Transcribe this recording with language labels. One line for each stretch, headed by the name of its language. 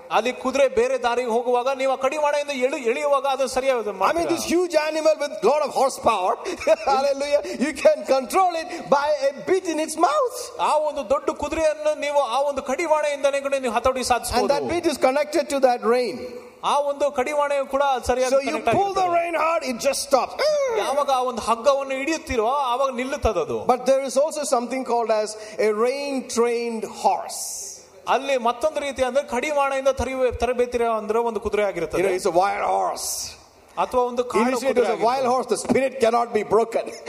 Kannada: ಅಲ್ಲಿ ಕುದುರೆ ಬೇರೆ ದಾರಿಗೆ ಹೋಗುವಾಗ ನೀವು ಕಡಿವಾಣದಿಂದ ಎಳೆಯುವಾಗ ಅದು ಸರಿಯಾದ ಮಾತು.
English: I mean, this huge animal with lot of horse power, hallelujah, you can control it by a bit in its mouth.
Kannada: ಆ ಒಂದು ದೊಡ್ಡ ಕುದುರೆಯನ್ನು ನೀವು ಆ ಒಂದು ಕಡಿವಾಣದಿಂದನೇ ಕೂಡ ನೀವು ಹತೋಟಿ ಸಾಧಿಸಬಹುದು.
English: And that bit is connected to that rein.
Kannada: ಆ ಒಂದು ಕಡಿವಾಣ ಕೂಡ ಸರಿಯಾಗಿ.
English: So you pull the rein hard, it just stops.
Kannada: ಯಾವಾಗ ಆ ಒಂದು ಹಗ್ಗವನ್ನು ಹಿಡಿಯುತ್ತಿರೋ ಆವಾಗ ನಿಲ್ಲುತ್ತದದು.
English: But there is also something called as a rein trained horse.
Kannada: ಅಲ್ಲಿ ಮತ್ತೊಂದು ರೀತಿ ಅಂದ್ರೆ ಕಡಿವಾಣದಿಂದ ತರಬೇತಿ ಅಂದ್ರೆ ಒಂದು ಕುದುರೆ ಆಗಿರುತ್ತದೆ.
English: It's a wild horse.
Kannada: ಅಥವಾ ಒಂದು ಕಾಡು ಕುದುರೆ.
English: It's a wild horse, the spirit cannot be broken.